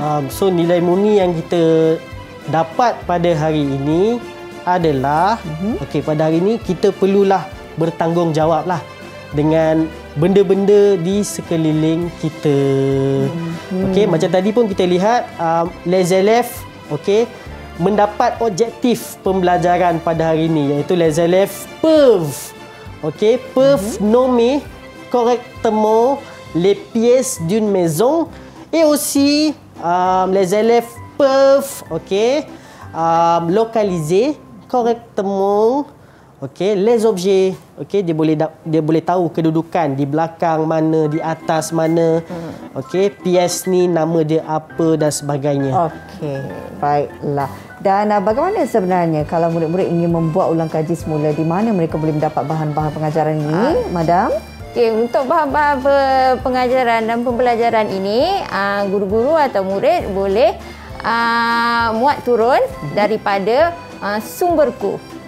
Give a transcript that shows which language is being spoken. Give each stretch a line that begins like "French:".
Malay: So, nilai murni yang kita dapat pada hari ini adalah, okay, pada hari ini kita perlulah bertanggungjawablah dengan benda-benda di sekeliling kita. Okey, macam tadi pun kita lihat
French: les élèves, okey,
Malay: mendapat objektif pembelajaran pada hari ini, iaitu
French: les élèves peuvent, okey, peuvent nommer correctement les pièces d'une maison, et aussi les élèves peuvent, okey, localiser correctement, okey, les objets.
Malay: Okey, dia boleh tahu kedudukan di belakang mana, di atas mana. Okey, PS ni nama dia apa dan sebagainya. Okey, baiklah. Dan bagaimana sebenarnya kalau murid-murid ingin membuat ulang kaji semula, di mana mereka boleh mendapat bahan-bahan pengajaran ini, Madam? Okey, untuk bahan-bahan pengajaran dan pembelajaran ini, guru-guru atau murid boleh muat turun daripada sumberku.